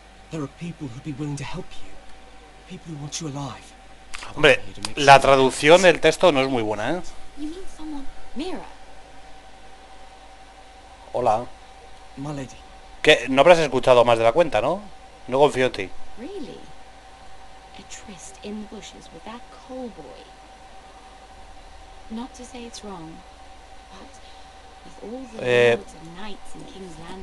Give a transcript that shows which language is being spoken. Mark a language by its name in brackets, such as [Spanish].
[English] There are people who'd be willing to help you. People who want you alive. [Spanish] Hombre, la traducción del texto no es muy buena, ¿eh? [English] You mean someone, Mira. [Spanish] Hola. [English] My lady. [Spanish] ¿Qué? No habrás escuchado más de la cuenta, ¿no? No confío en ti. [English] Really? A tryst in the bushes with that coal boy. Not to say it's wrong, but with all the lords and knights in King's Landing.